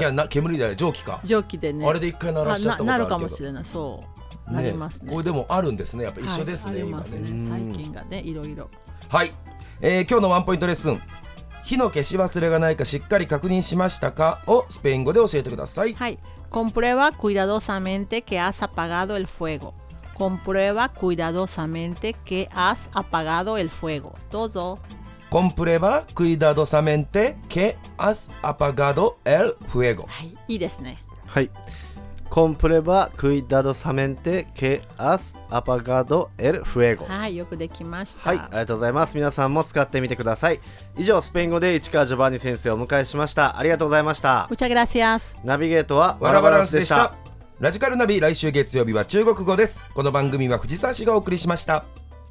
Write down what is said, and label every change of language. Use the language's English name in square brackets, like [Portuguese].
[Japanese] いや、な、煙じゃない、蒸気か、蒸気でね、あれで一回鳴らしちゃったことある。なるかもしれない、そう、ね、なりますね。これでもあるんですね、やっぱ一緒です ね、はい、今ね、ありますね、最近がね、いろいろ。はい、今日のワンポイントレッスン、火の消し忘れがないかしっかり確認しましたかをスペイン語で教えてください。はい。 [Spanish] Comprueba cuidadosamente que has apagado el fuego. Comprueba cuidadosamente que has apagado el fuego. [Japanese] どうぞ。 [Spanish] Comprueba cuidadosamente que has apagado el fuego. [Japanese] はい。いいですね。はい。 [Spanish] Comprueba cuidadosamente que has apagado el fuego。 [Japanese] はい、よくできました。はい、ありがとうございます。皆さんも使ってみてください。以上、スペイン語で市川ジョバンニ先生をお迎えしました。ありがとうございました。 [Spanish] Muchas gracias。 [Japanese] ナビゲートはワラバランスでした。ラジカルナビ、来週月曜日は中国語です。この番組は藤沢氏がお送りしました。